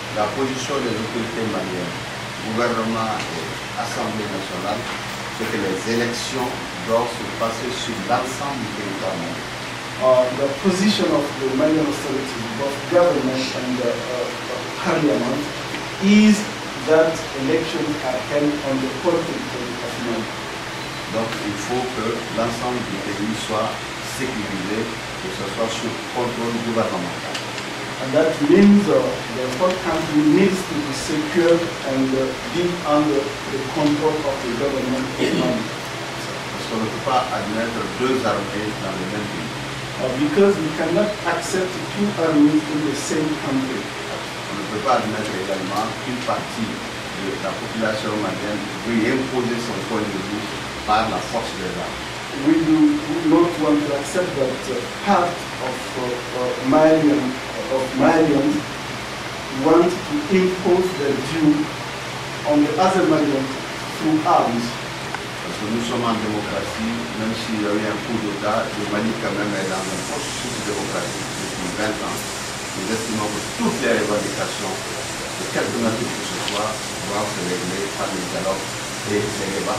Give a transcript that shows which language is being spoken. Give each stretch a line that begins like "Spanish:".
French: La position des autorités maliennes, gouvernement et assemblée nationale, c'est que les élections doivent se passer sur l'ensemble du territoire malien.
English: The position of the Malian authorities, both government and parliament, is that elections are held on the whole territory of Mali.
French: Donc il faut que l'ensemble du pays soit sécurisé, que ce soit sous contrôle gouvernemental.
English: And that means the whole country needs to be secure and be under the control of the government of Mali.
French: Parce qu'on ne peut pas admettre deux armées dans le même pays.
English: Because we cannot accept two armies in the same country.
French: On ne peut pas admettre également qu'une partie de la population malienne veut imposer son point de vue par la force des armes.
English: We do not want to accept that part of Malians want to impose their view on the other Malians through arms.
French: Parce que nous sommes en démocratie, même s'il y a eu un coup d'État, le Mali quand même est dans un processus de démocratie depuis 20 ans. Nous estimons que toutes les revendications, quelles que soient, doivent se régler par des dialogues et des débats.